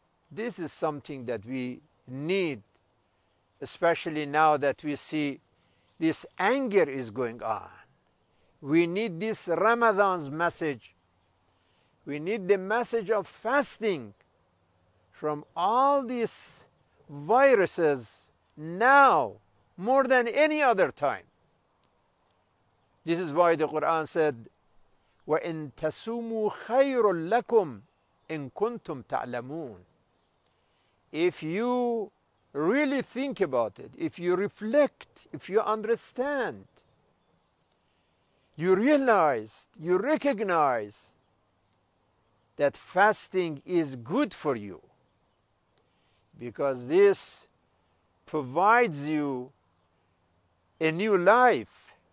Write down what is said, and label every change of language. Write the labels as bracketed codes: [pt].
[en] This is something that we need, especially now that we see this anger is going on. We need this Ramadan's message. We need the message of fasting from all these viruses now, more than any other time. This is why the Quran said, [ar] وَإِن تَسُومُوا خَيْرٌ لَكُمْ إِن كُنْتُمْ تَعْلَمُونَ. [en] If you really think about it, if you reflect, if you understand, you realize, you recognize that fasting is good for you, because this provides you a new life.